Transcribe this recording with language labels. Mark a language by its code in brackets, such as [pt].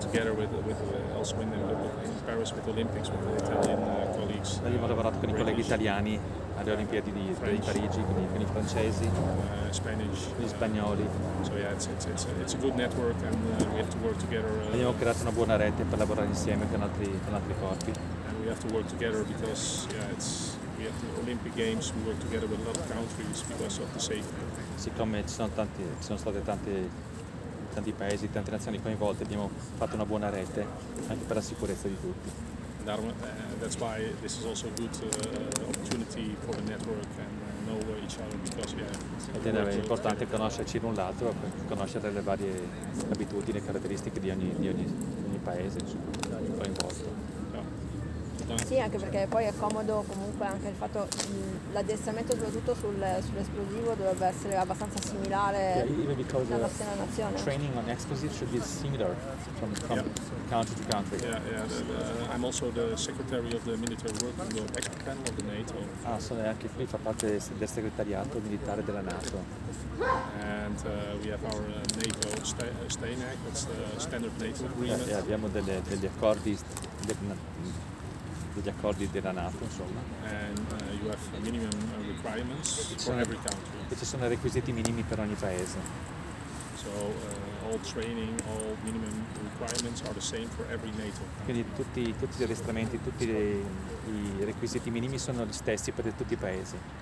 [en] together with also in Paris with the Olympics with the Italian colleagues. [it] Abbiamo lavorato con i colleghi italiani alle Olimpiadi di Parigi, quindi con i francesi, gli spagnoli. [en] So yeah, it's a good network and we have to work together. [it] Abbiamo creato una buona rete per lavorare insieme con altri corpi. [en] And we have to work together because yeah, it's we have the Olympic Games. We work together with a lot of countries because of the safety. [it] Siccome ci sono stati tanti paesi, tante nazioni coinvolte, abbiamo fatto una buona rete anche per la sicurezza di tutti. [en] That's why this is also a good opportunity for the network and know each other because yeah. [it] Ed è importante conoscerci l'un l'altro, conoscere le varie abitudini e caratteristiche di ogni paese coinvolto. Sì, anche perché poi è comodo comunque anche il fatto l'addestramento soprattutto sull'esplosivo dovrebbe essere abbastanza similare dalla stessa nazione. [en] Training on explosives should be similar from country to country. Yeah, I'm also the secretary of the military working group expert panel of the NATO. [it] Ah, sono anche qui fa parte del segretariato militare della NATO. [en] And we have our NATO STANAG, that's the standard NATO agreement. [it] Yeah, abbiamo degli accordi degli accordi della NATO, insomma. [en] And you have minimum requirements for every country. [it] E ci sono requisiti minimi per ogni paese. [en] So all training, all minimum requirements are the same for every NATO. [it] Quindi tutti gli addestramenti, tutti i requisiti minimi sono gli stessi per tutti i paesi.